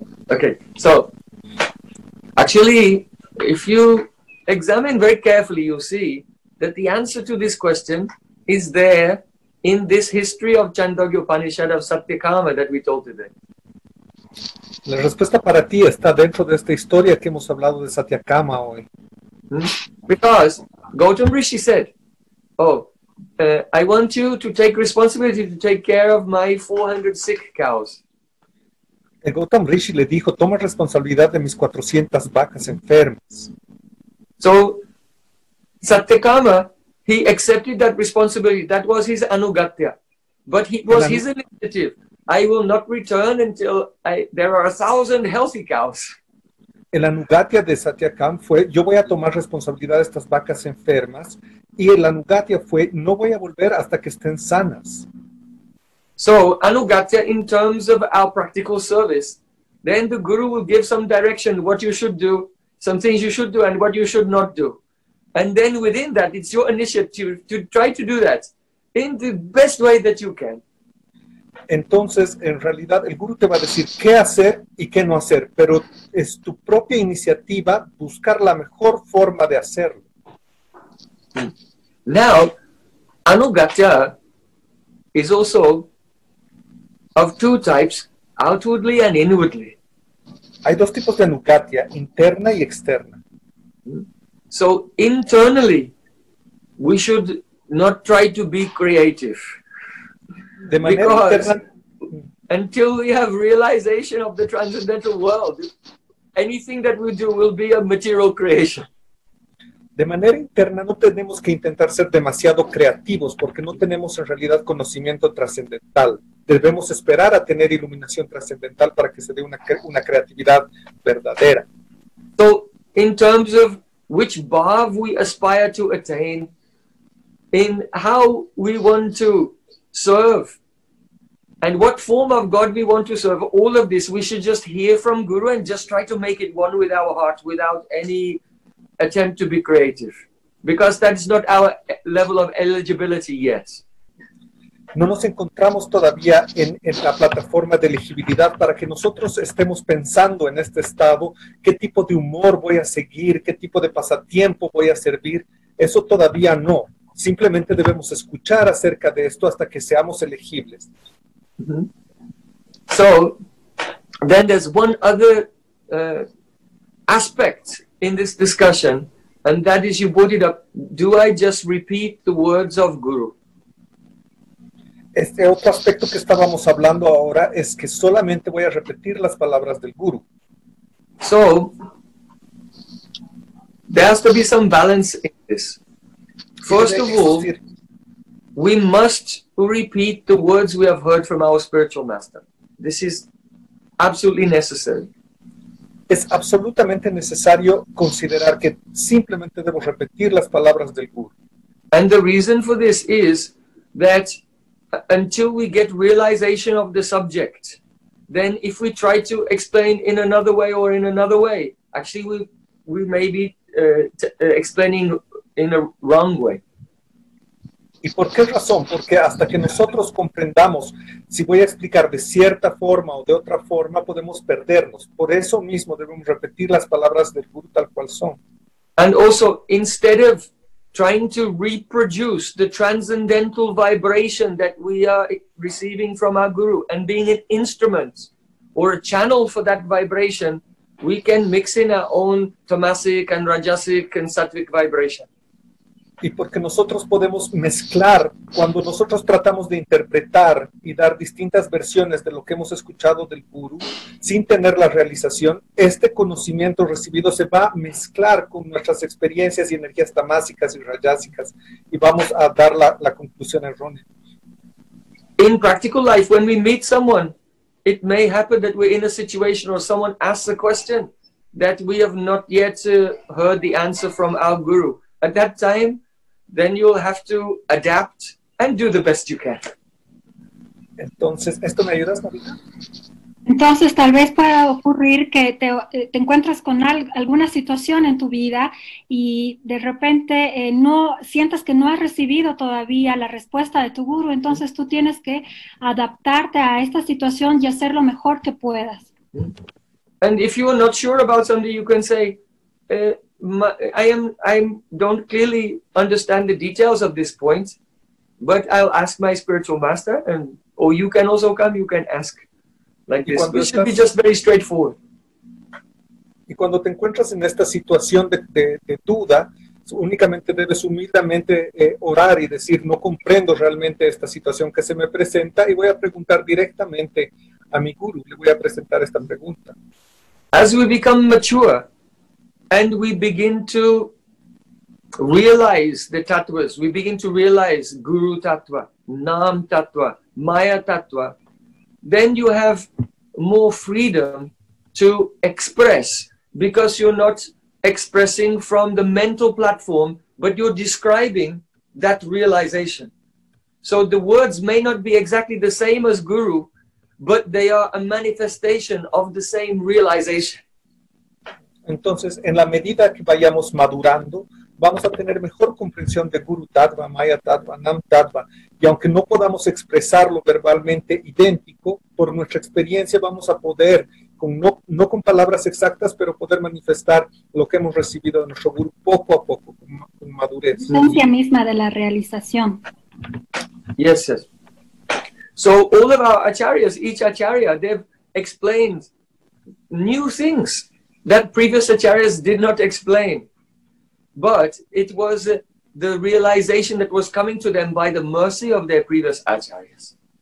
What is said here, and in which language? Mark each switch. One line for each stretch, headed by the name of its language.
English: Okay, so, actually, if you examine very carefully, you see that the answer to this question is there in this history of Chandogya Upanishad of Satyakama that we told today.
Spanish: La respuesta para ti está dentro de esta historia que hemos hablado de Satyakama hoy.
English: Because Gautam Rishi said, oh, I want you to take responsibility to take care of my 400 sick cows.
Spanish: El Gautam Rishi le dijo, toma responsabilidad de mis 400 vacas enfermas.
English: So, Satyakama, he accepted that responsibility. That was his anugatya. But it was his initiative. I will not return until there are 1,000 healthy cows.
Spanish: El anugatya de Satyakam fue, yo voy a tomar responsabilidad de estas vacas enfermas. Y el anugatya fue, no voy a volver hasta que estén sanas.
English: So, anugatya in terms of our practical service. Then the guru will give some direction, what you should do, some things you should do and what you should not do. And then within that, it's your initiative to try to do that in the best way that you can.
Spanish: Entonces, en realidad, el guru te va a decir qué hacer y qué no hacer, pero es tu propia iniciativa buscar la mejor forma de hacerlo.
English: Now, anugatya is also of two types, outwardly and inwardly.
Spanish: Hay dos tipos de anugatya, interna y externa.
English: So, internally, we should not try to be creative.
Spanish: De manera
English: because
Spanish: interna,
English: until we have realization of the transcendental world, anything that we do will be a material creation.
Spanish: De manera interna, no tenemos que intentar ser demasiado creativos porque no tenemos en realidad conocimiento trascendental. Debemos esperar a tener iluminación trascendental para que se dé una creatividad verdadera.
English: So, in terms of which bhav we aspire to attain, in how we want to serve, and what form of God we want to serve, all of this we should just hear from Guru and just try to make it one with our heart without any attempt to be creative. Because that's not our level of eligibility yet.
Spanish: No nos encontramos todavía en la plataforma de elegibilidad para que nosotros estemos pensando en este estado, qué tipo de humor voy a seguir, qué tipo de pasatiempo voy a servir. Eso todavía no. Simplemente debemos escuchar acerca de esto hasta que seamos elegibles.
English: So, then there's one other aspect in this discussion, and that is, you brought it up, do I just repeat the words of Guru?
Spanish: Este otro aspecto que estábamos hablando ahora es que solamente voy a repetir las palabras del Guru.
English: So, there has to be some balance in this. First of all, we must repeat the words we have heard from our spiritual master. This is absolutely necessary.
Spanish: Es absolutamente necesario considerar que simplemente debo repetir las palabras del Guru.
English: And the reason for this is that until we get realization of the subject, then if we try to explain in another way or in another way, actually we may be explaining in a wrong way.
Spanish: ¿Y por qué razón? Porque hasta que nosotros comprendamos, si voy a explicar de cierta forma o de otra forma, podemos perdernos. Por eso mismo debemos repetir las palabras del Guru tal cual son.
English: And also, instead of trying to reproduce the transcendental vibration that we are receiving from our Guru and being an instrument or a channel for that vibration, we can mix in our own tamasic and rajasic and sattvic vibration.
Spanish: Y porque nosotros podemos mezclar, cuando nosotros tratamos de interpretar y dar distintas versiones de lo que hemos escuchado del Guru, sin tener la realización, este conocimiento recibido se va a mezclar con nuestras experiencias y energías tamásicas y rayásicas, y vamos a dar la conclusión errónea.
English: In practical life, when we meet someone, it may happen that we're in a situation or someone asks a question that we have not yet heard the answer from our Guru. At that time, then you'll have to adapt and do the best you can.
Spanish: Entonces, ¿esto me ayudas, Marita? Entonces, tal vez pueda ocurrir que te encuentras con alguna situación en tu vida y de repente no sientas que no has recibido todavía la respuesta de tu guru. Entonces, tú tienes que adaptarte a esta situación y hacer lo mejor que puedas.
English: And if you are not sure about something, you can say, I don't clearly understand the details of this point, but I'll ask my spiritual master, and or you can also come, you can ask like this. We should be just very straightforward.
Spanish: Y cuando te encuentras en esta situación de duda, únicamente debes humildemente orar y decir, no comprendo realmente esta situación que se me presenta, y voy a preguntar directamente a mi guru, le voy a presentar esta pregunta.
English: As we become mature and we begin to realize the tattvas, we begin to realize guru tattva, nam tattva, maya tattva, then you have more freedom to express, because you're not expressing from the mental platform, but you're describing that realization. So the words may not be exactly the same as guru, but they are a manifestation of the same realization.
Spanish: Entonces, en la medida que vayamos madurando, vamos a tener mejor comprensión de guru tattva, maya tattva, nam tattva, y aunque no podamos expresarlo verbalmente idéntico, por nuestra experiencia vamos a poder no con palabras exactas, pero poder manifestar lo que hemos recibido de nuestro guru poco a poco, con madurez. La esencia misma de la realización.
English: Yes, yes. So all of our acharyas, each acharya, they've explained new things that previous acharyas did not explain. But it was the realization that was coming to them by the mercy of their previous acharyas.